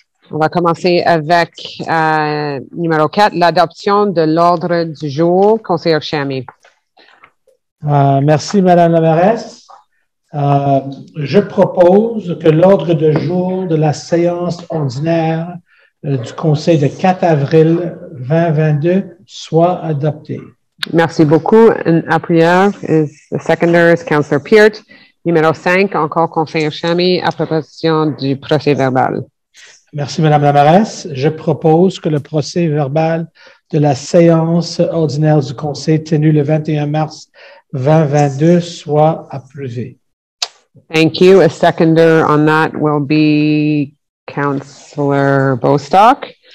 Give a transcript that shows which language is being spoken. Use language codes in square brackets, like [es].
[fr] On va commencer avec numéro 4, l'adoption de l'ordre du jour, Conseiller Shammy. Merci, Madame la mairesse. Je propose que l'ordre de jour de la séance ordinaire du Conseil de 4 avril 2022 soit adopté. Merci beaucoup. [en] And appuyeur is the seconder, is Councillor Peart. [fr] Numéro 5, encore Conseiller Shammy, approbation du procès verbal. Merci, Madame la mairesse. Je propose que le procès verbal de la séance ordinaire du Conseil tenu le 21 mars 2022 soit approuvé. [en] Thank you. A seconder on that will be Councillor Bostock.